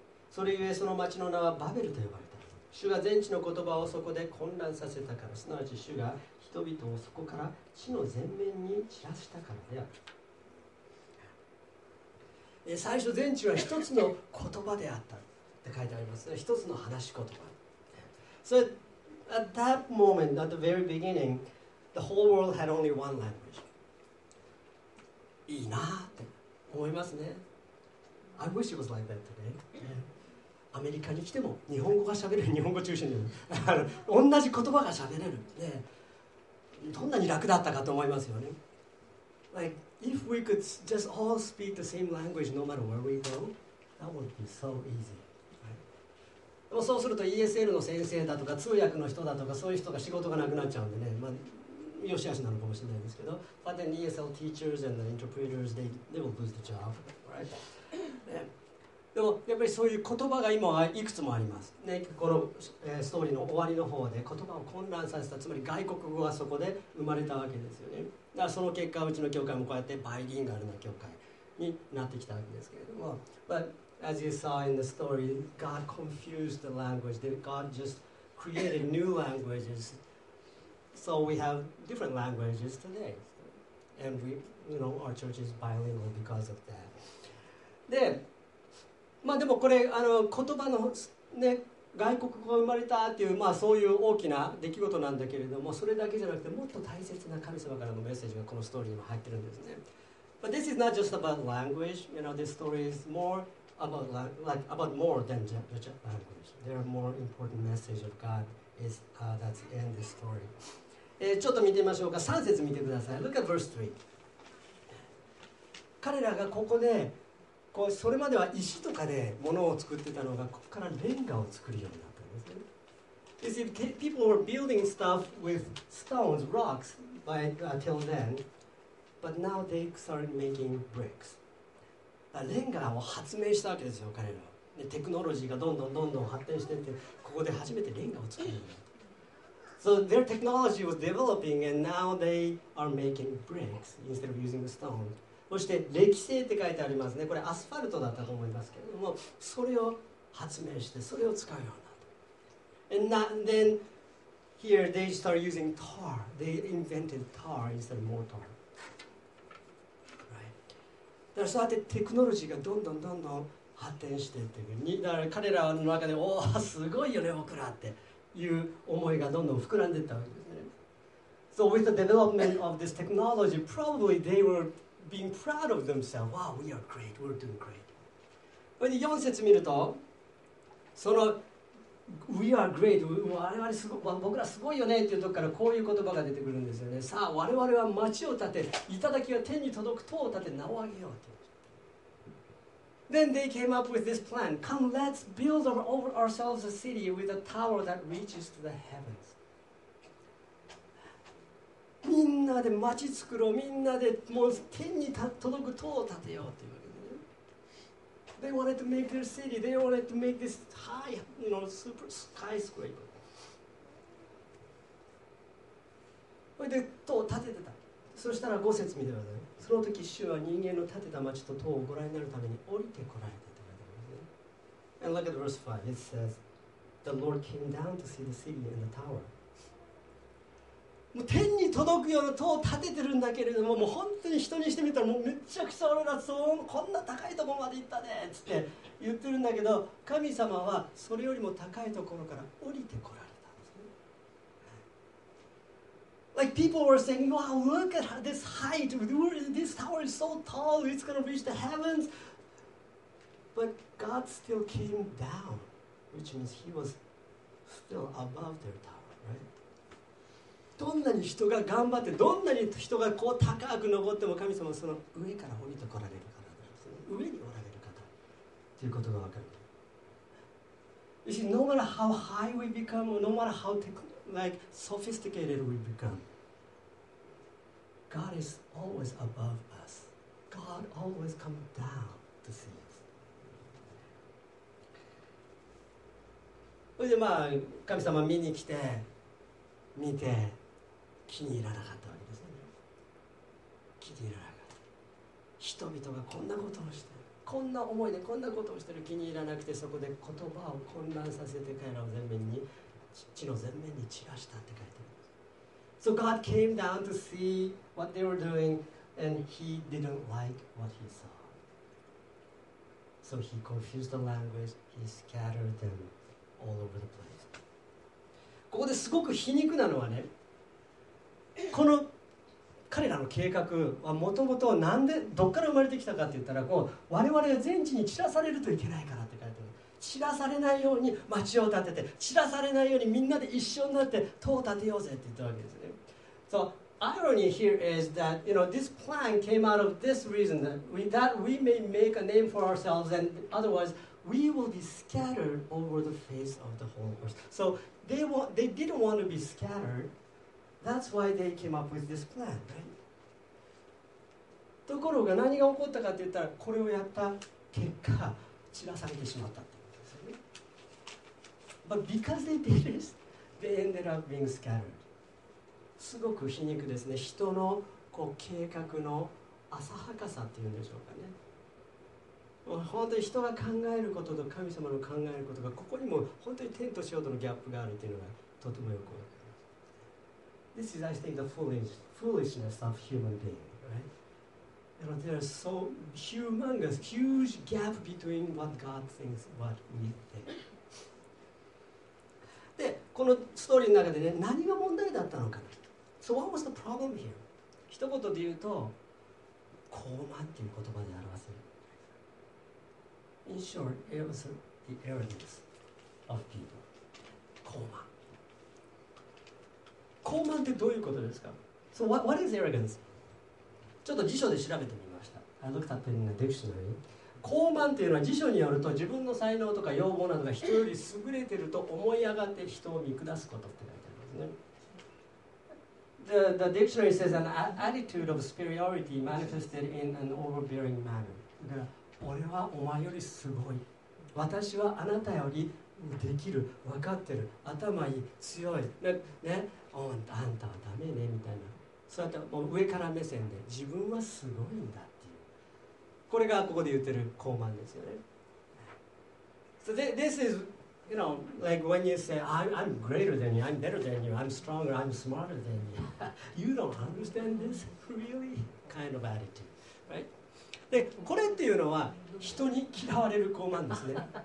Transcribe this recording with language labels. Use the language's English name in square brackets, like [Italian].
[Japanese] それゆえその町の名はバベルと呼ばれた。主が全地の言葉をそこで混乱させたから、すなわち主が人々をそこから地の全面に散らしたからである。最初、全地は一つの言葉であったって書いてありますね。一つの話し言葉。 [English] So at that moment, at the very beginning, the whole world had only one language. [Japanese] いいなって思いますね。 [English] I wish it was like that today. [Japanese] アメリカに来ても日本語が喋れる、日本語中心で同じ言葉が喋れる、ね、どんなに楽だったかと思いますよね。 [English] Like,If we could just all speak the same language no matter where we go, that would be so easy.、Right? [Japanese] そうすると ESL の先生だとか通訳の人だとかそういう人が仕事がなくなっちゃうんでね、まあ、よしあしなのかもしれないですけど、 [English] But then ESL teachers and the interpreters, they will lose the job, right? [Japanese] 、ね、でもやっぱりそういう言葉が今はいくつもあります。ね、このストーリーの終わりの方で言葉を混乱させた、つまり外国語がそこで生まれたわけですよね。だその結果、うちの教会もこうやってバイリンガルな教会になってきたわけですけれども。 [English] But as you saw in the story, God confused the language. God just created new languages. So we have different languages today. And we, you know, our church is bilingual because of that. [Japanese] で、まあでもこれ、あの言葉の、ね、外国語が生まれたっていう、まあ、そういう大きな出来事なんだけれども、それだけじゃなくて、もっと大切な神様からのメッセージがこのストーリーにも入ってるんですね。 [English] But this is not just about language. You know, this story is more about, like, about more than just language. There are more important message of God is, that's in this story. [Japanese] ちょっと見てみましょうか。 3節見てください。 [English] Look at verse 3. [Japanese] 彼らがここで、こうそれまでは石とかで物を作ってたのが、ここからレンガを作るようになったんですね。 [English] You see, people were building stuff with stones, rocks, by, till then. But now they started making bricks. [Japanese] レンガを発明したわけですよ、彼らは。テクノロジーがどんどんどんどん発展していって、ここで初めてレンガを作るようになった。 [English] So their technology was developing and now they are making bricks instead of using stone. [Japanese] そして礫製って書いてありますね。これアスファルトだったと思いますけれども、それを発明して、それを使うようになった。 [English] And not, then, here they started using tar. They invented tar instead of mortar. Right? [Japanese] だからそうやってテクノロジーがどんどんどんどん発展していっていう。だから彼らの中で、おお、すごいよね、オクラっていう思いがどんどん膨らんでいったわけですね。 [English] So with the development of this technology, probably they were... being proud of themselves. Wow, we are great. We're doing great. [Japanese] で、4節見ると、その [English] We are great. [Japanese] 我々すごい、僕らすごいよねっていうとこからこういう言葉が出てくるんですよね。さあ、我々は町を建て、頂きは天に届く塔を建て、名を上げようって。 [English] Then they came up with this plan. Come, let's build over ourselves a city with a tower that reaches to the heavens. [Japanese] みんなで町作ろう、みんなでもう天に届く塔を建てようっていうわけでね。 [English] They wanted to make their city, they wanted to make this high, you know, super skyscraper. [Japanese] それで塔を建ててた。そしたら5節見てください。その時主は人間の建てた町と塔をご覧になるために降りてこられたって書いてあるんですね。 [English] And look at verse 5, it says, the Lord came down to see the city and the tower. [Japanese] もう天に届くような塔を建ててるんだけれども、もう本当に人にしてみたらもうめちゃくちゃ俺らそうこんな高いところまで行ったねっつって言ってるんだけど、神様はそれよりも高いところから降りてこられたんですね。 [English] Like people were saying, "Wow, look at this height. This tower is so tall. It's going to reach the heavens." But God still came down, which means He was still above their tower, right? [Japanese] どんなに人が頑張ってどんなに人がこう高く登っても神様はその上から降りてこられる方なんですね。上におられる方ということがわかる。 [English] You see, no matter how high we become, or no matter how sophisticated we become, God is always above us. God always comes down to see us. [Japanese] それでまあ神様見に来て見て気に入らなかったわけですね。気に入らなかった。人々がこんなことをしてる、こんな思いでこんなことをしてる気に入らなくて、そこで言葉を混乱させて彼らを全面に地の全面に散らしたって書いてあります。 [English] So God came down to see what they were doing, and He didn't like what He saw. So He confused the language. He scattered them all over the place. [Japanese] ここですごく皮肉なのはね。この彼らの計画はもともとなんでどっから生まれてきたかって言ったら、こう我々が全地に散らされるといけないからって書いてある。散らされないように町を建てて、散らされないようにみんなで一緒になって塔を建てようぜって言ったわけですね。 [English] So irony here is that, you know, this plan came out of this reason that we may make a name for ourselves and otherwise we will be scattered over the face of the whole earth. So they didn't want to be scatteredThat's why they came up with this plan, right? [Japanese] ところが何が起こったかって言ったら、これをやった結果散らされてしまったってことですよね。 [English] But because they did this, they ended up being scattered. [Japanese] すごく皮肉ですね。人のこう計画の浅はかさっていうんでしょうかね。本当に人が考えることと神様の考えることがここにも本当に天と地ほどのギャップがあるっていうのがとてもよく [English] This is, I think, the foolishness of human being, right? You know, there is so humongous, huge gap between what God thinks, what we think. [Japanese] で、このストーリーの中でね、何が問題だったのか。 [English] So what was the problem here? [Japanese] 一言で言うと、高慢っていう言葉で表せる。 [English] In short, it was the arrogance of people. [Japanese] 高慢。高慢ってどういうことですか? [English] So what is arrogance? [Japanese] ちょっと辞書で調べてみました。 [English] I looked up in the dictionary. [Japanese] 高慢っていうのは辞書によると自分の才能とか要望などが人より優れてると思い上がって人を見下すことって書いてありますね。 [English] The dictionary says an attitude of superiority manifested in an overbearing manner. [Japanese] だから俺はお前よりすごい、私はあなたよりできる、分かってる、頭いい、強い、ね、あんたはダメねみたいな、そうやってもう上から目線で自分はすごいんだっていう、これがここで言ってる高慢ですよね。 [English] So this is, you know, like when you say I'm greater than you, I'm better than you, I'm stronger, I'm smarter than you. You don't understand this really kind of attitude, right? [Japanese] でこれっていうのは人に嫌われる高慢ですね。